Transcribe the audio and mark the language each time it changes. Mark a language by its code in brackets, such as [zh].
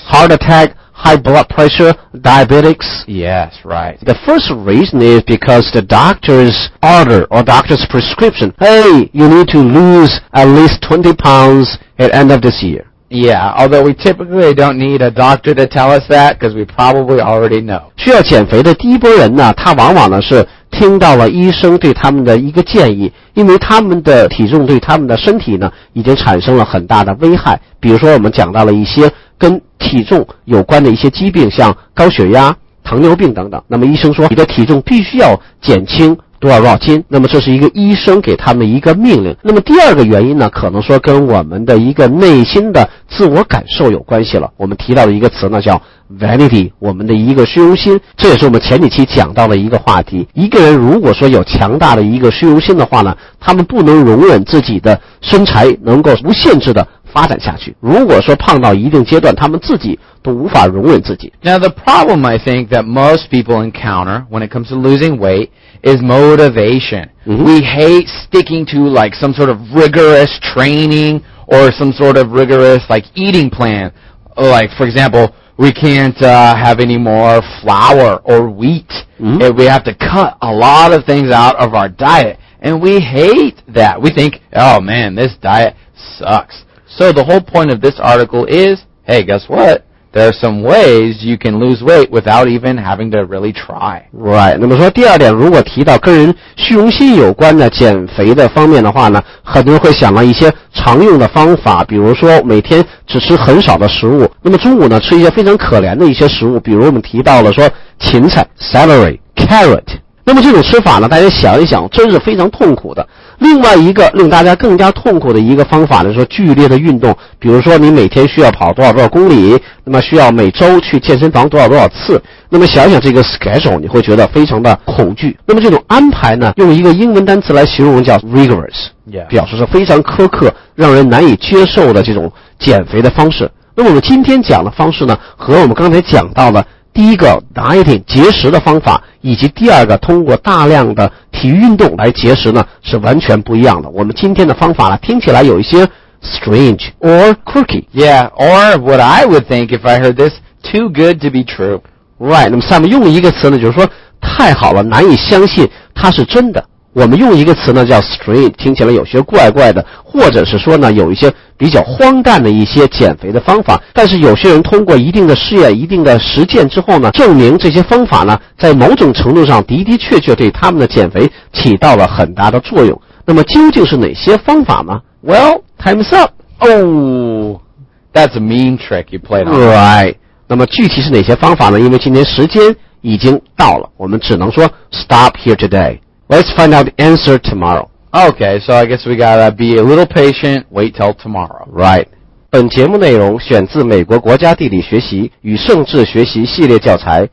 [en] Heart attack, high blood pressure, diabetics. Yes, right. The first reason is because the doctor's order or doctor's prescription, hey, you need to lose at least 20 pounds at end of this year. Yeah, although we typically don't need a doctor to tell us that, because we probably already know. [zh] 需要减肥的第一波人呢，他往往呢是听到了医生对他们的一个建议，因为他们的体重对他们的身体呢已经产生了很大的危害。比如说我们讲到了一些跟体重有关的一些疾病，像高血压、糖尿病等等。那么医生说，你的体重必须要减轻多少多少斤，那么这是一个医生给他们一个命令。那么第二个原因呢，可能说跟我们的一个内心的自我感受有关系了。我们提到的一个词呢叫 vanity， 我们的一个虚荣心，这也是我们前几期讲到的一个话题。一个人如果说有强大的一个虚荣心的话呢，他们不能容忍自己的身材能够无限制的发展下去，如果说胖到一定阶段，他们自己都无法容忍自己。 [en] Now the problem I think that most people encounter when it comes to losing weight is motivation. We hate sticking to like some sort of rigorous training or some sort of rigorous like eating plan. Like for example, we can't have any more flour or wheat. And we have to cut a lot of things out of our diet. And we hate that. We think, oh man, this diet sucks. So the whole point of this article is, hey, guess what? There are some ways you can lose weight without even having to really try. Right. [zh] 那么说第二点，如果提到跟人虚荣心有关的减肥的方面的话呢，很多人会想到一些常用的方法，比如说每天只吃很少的食物，那么中午呢吃一些非常可怜的一些食物，比如我们提到了说芹菜 celery, carrot。那么这种吃法呢，大家想一想，真是非常痛苦的。另外一个令大家更加痛苦的一个方法呢，说剧烈的运动，比如说你每天需要跑多少多少公里，那么需要每周去健身房多少多少次，那么想想这个 schedule， 你会觉得非常的恐惧。那么这种安排呢，用一个英文单词来形容叫 rigorous， 表示是非常苛刻，让人难以接受的这种减肥的方式。那么我们今天讲的方式呢，和我们刚才讲到的第一个 dieting 节食的方法，以及第二个通过大量的体育运动来节食呢，是完全不一样的。我们今天的方法呢，听起来有一些 [en] strange or quirky. Yeah, or what I would think if I heard this, too good to be true. Right. [zh] 那么下面用一个词呢，就是说太好了，难以相信它是真的。我们用一个词呢叫 strange， 听起来有些怪怪的，或者是说呢有一些比较荒诞的一些减肥的方法，但是有些人通过一定的试验一定的实践之后呢，证明这些方法呢在某种程度上的的确确对他们的减肥起到了很大的作用。那么究竟是哪些方法呢？ [en] Well, time's up. Oh, that's a mean trick you played on. Right. [zh] 那么具体是哪些方法呢？因为今天时间已经到了，我们只能说 [en] stop here today. Let's find out the answer tomorrow. Okay, so I guess we gotta be a little patient, wait till tomorrow. Right. [zh] 本节目内容选自美国国家地理学习与政治学习系列教材。